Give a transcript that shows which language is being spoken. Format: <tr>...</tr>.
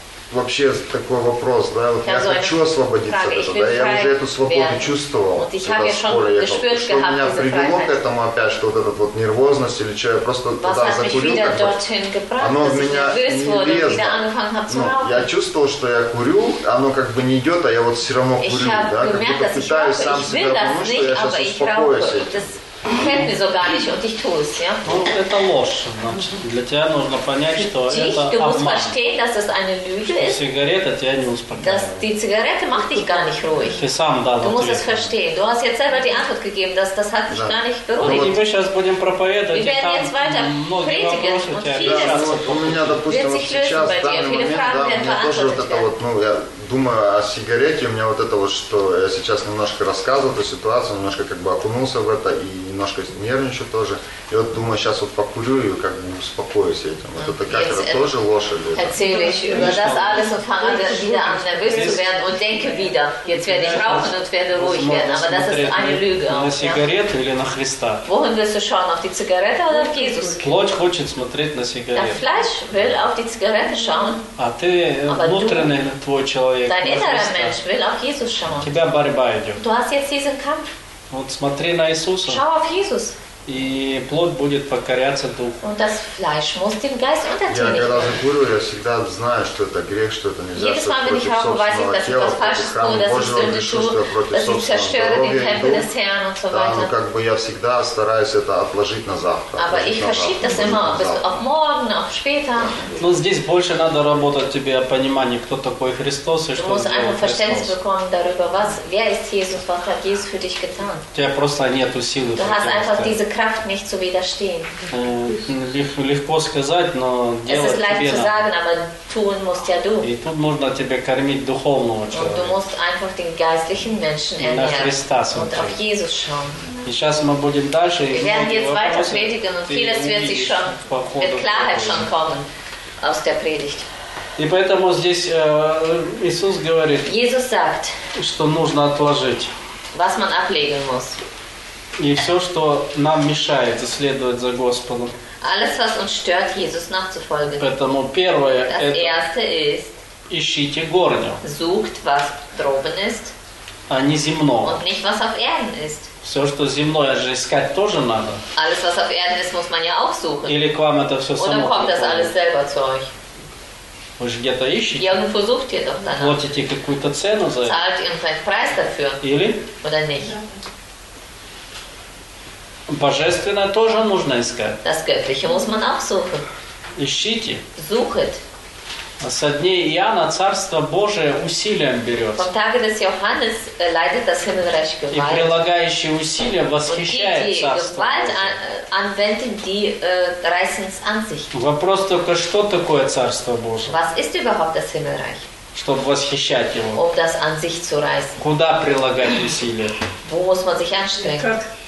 <ru>вообще такой вопрос, да, вот я хочу освободиться от этого, да, я уже эту свободу чувствовал, когда с поля ехал, что меня привело к этому опять, что вот эта вот нервозность или что, я просто тогда закурил, оно в меня не лезло, ну, я чувствовал, что я курю, оно как бы не идет, а я вот все равно курю, да, как будто пытаюсь сам себя помочь, что я сейчас успокоюсь этим.</ru> <de>Kennt mir so gar nicht und ich tue es, ja?</de> <ru>Это ложь, значит. Для тебя нужно понять, что это обман.</ru> <de>Du musst verstehen, dass das eine Lüge ist.</de> <ru>Zigarette тебя не успокаивает.</ru> <de>Die Zigarette macht dich gar nicht ruhig.</de> <ru>Ты сам дал ответ.</ru> <de>Du musst es verstehen. Du hast jetzt selber die Antwort gegeben, dass das hat dich gar nicht beruhigt.</de> <ru>Мы сейчас будем проповедовать.</ru> <de>Wir werden jetzt weiter predigen und vieles wird sich lösen bei dir. Viele Fragen werden beantwortet werden.</de> <ru>Думаю о сигарете, у меня вот это вот, что я сейчас немножко рассказывал эту ситуацию, немножко как бы окунулся в это и немножко нервничаю тоже. И вот думаю, сейчас вот покурю и как бы успокоюсь этим. Вот это как, это тоже ложь или это?</ru> <de>Erzähle ich über das alles und fange wieder an nervös zu werden und denke wieder, jetzt werde ich rauchen und werde ruhig werden, aber das ist eine Lüge.</de> <ru>На сигарету или на Христа?</ru> <de>Wohin willst du schauen, auf die Zigarette oder auf Jesus?</de> <ru>Плоть хочет смотреть на сигарету.</ru> <de>Das Fleisch will auf die Zigarette schauen.</de> <ru>А ты внутренний, твой человек.</ru> <de>Dein innerer Mensch will auf Jesus schauen. Du hast jetzt diesen Kampf.</de> <ru>Вот смотри на Иисуса.</ru> <de>Schau auf Jesus.</de> <ru>И плоть будет покоряться духу.</ru> <de>Und das Fleisch muss den Geist unterdrücken.</de> <ru>Я когда закурю, я всегда знаю, что это грех, что это нельзя.</ru> <de>Jedes Mal, wenn ich rauche, weiß ich, dass ich das falsch tue, dass ich Sünde tue, dass ich zerstöre den Tempel des Herrn und so weiter.</de> <ru>Да, но как бы я всегда стараюсь это отложить на завтра.</ru> <de>Aber ich verschiebe das immer bis auf morgen, auf später.</de> <ru>Ну здесь больше надо работать тебе о понимании, кто такой Христос и что Христос.</ru> <de>Du musst einfach Verständnis bekommen darüber, was, wer ist Jesus, was hat Jesus für dich getan?</de> <ru>У тебя просто нету силы.</ru> <de>Du hast einfach diese Kraft nicht zu widerstehen.</de> <ru>Легко сказать, но делать тебе.</ru> <de>Es ist leicht zu sagen, aber tun musst ja du.</de> <ru>И тут нужно тебе кормить духовного человека.</ru> <de>Und du musst einfach den geistlichen Menschen ernähren. Und auf Jesus schauen.</de> <ru>И сейчас мы будем дальше.</ru> <de>Wir werden jetzt weiter predigen und vieles wird sich schon mit Klarheit schon kommen aus der Predigt.</de> <ru>И поэтому здесь Иисус говорит.</ru> <de>Jesus sagt.</de> <ru>Что нужно отложить.</ru> <de>Was man ablegen muss.</de> <ru>И все, что нам мешает исследовать за Господом.</ru> <de>Alles, was uns stört, Jesus nachzufolgen.</de> <ru>Поэтому первое,</ru> <de>das</de> <ru>это</ru> <de>erste ist,</de> <ru>ищите горнего.</ru> <de>Sucht, was droben ist,</de> <ru>а не земного.</ru> <de>Und nicht, was auf Erden ist.</de> <ru>Все, что земное, же искать тоже надо.</ru> <de>Alles, was auf Erden ist, muss man ja auch suchen.</de> <ru>Или к вам это все само.</ru> <de>Oder kommt das alles selber zu euch?</de> <ru>Вы же где-то ищете. Я говорю,</ru> <de>versucht ihr doch danach.</de> <ru>Платите какую-то цену за это.</ru> <de>Zahlt irgendeinen Preis dafür.</de> <ru>Или?</ru> <de>Oder nicht?</de> <ru>Божественное тоже нужно искать.</ru> <de>Das Göttliche muss man auch suchen.</de> <ru>Ищите.</ru> <de>Suchet.</de> <ru>Со дней Иоанна Царство Божие усилием берется.</ru> <de>Vom Tage des Johannes leidet das Himmelreich Gewalt.</de> <ru>И прилагающие усилия восхищает Царство</ru> <de>Gewalt</de> <ru>Божие.</ru> <de>Anwenden, die reißen es an sich.</de> <ru>Вопрос только, что такое Царство Божие?</ru> <de>Was ist überhaupt das Himmelreich?</de> <ru>Чтобы восхищать его.</ru> <de>Um das an sich zu reißen.</de> <ru>Куда прилагать усилия?</ru> <de>Wo muss man sich anstrengen?</de>